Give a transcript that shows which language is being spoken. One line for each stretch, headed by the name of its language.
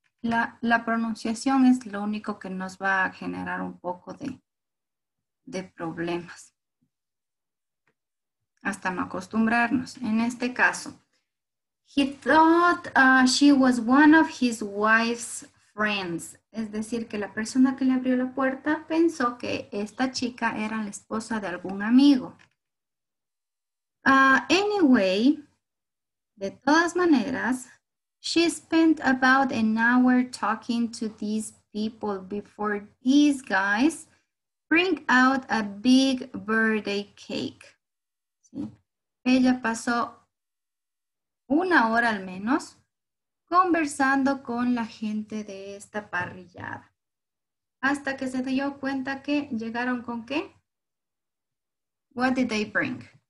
Spanish: La pronunciación es lo único que nos va a generar un poco de problemas, hasta no acostumbrarnos. En este caso,
English: he thought she was one of his wife's friends.
Spanish: Es decir, que la persona que le abrió la puerta pensó que esta chica era la esposa de algún amigo.
English: Anyway,
Spanish: de todas maneras,
English: she spent about an hour talking to these people before these guys bring out a big birthday cake.
Spanish: ¿Sí? Ella pasó una hora al menos conversando con la gente de esta parrillada. Hasta que se dio cuenta que llegaron con qué.
English: What did they bring?